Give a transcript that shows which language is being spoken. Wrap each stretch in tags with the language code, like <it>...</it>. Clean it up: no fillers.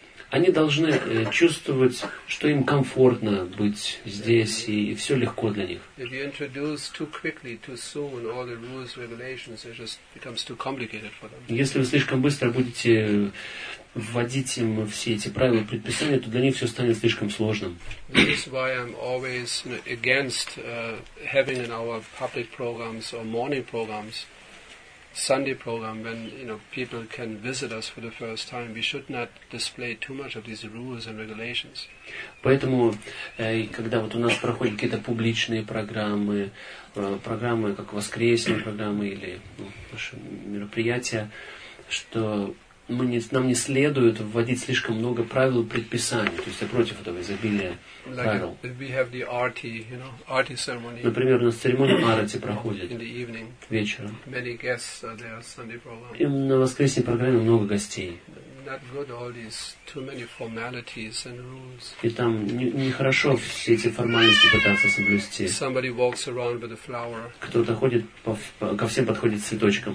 <ru>Они должны чувствовать, что им комфортно быть здесь, и все легко для них.</ru> <en>If you introduce too quickly, too soon all the rules, regulations, it just becomes too complicated for them.</en> <ru>Если вы слишком быстро будете вводить им все эти правила и предписания, то для них все станет слишком сложным.</ru> <en>This is why I'm always against having in our public programs or morning programs Sunday program when you know people can visit us for the first time, we should not display too much of these rules and regulations.</en> <ru>Поэтому, когда вот у нас проходят какие-то публичные программы, программы как воскресные программы или наши мероприятия, что нам не следует вводить слишком много правил и предписаний, то есть я против этого изобилия правил.</ru> <en>We have the arti, you know, arti ceremony.</en> <ru>Например, у нас церемония арати проходит</ru> <en>in the evening,</en> <ru>вечером.</ru> <en>Many guests are there, Sunday program.</en> <ru>И на воскресной программе много гостей.</ru> <en>Not good, all these too many formalities and rules.</en> <ru>И там нехорошо все эти формальности пытаться соблюсти.</ru> <en>Somebody walks around with a flower.</en> <ru>Кто-то ходит ко всем подходит с цветочком.</ru>